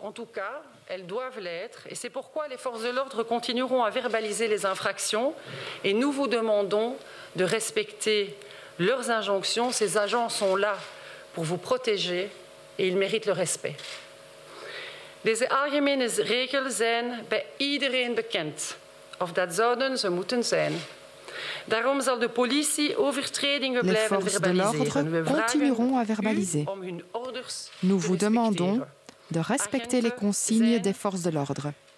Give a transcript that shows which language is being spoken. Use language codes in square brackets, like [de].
[fr] En tout cas, elles doivent l'être, et c'est pourquoi les forces de l'ordre continueront à verbaliser les infractions, et nous vous demandons de respecter leurs injonctions. Ces agents sont là pour vous protéger, et ils méritent le respect. [nl] Deze algemene regels zijn bij iedereen bekend, of dat zouden ze moeten zijn. Daarom zal de politie overtredingen blijven verbaliseren. [fr] Les forces de l'ordre continueront à verbaliser. Nous vous demandons de respecter les consignes des forces de l'ordre.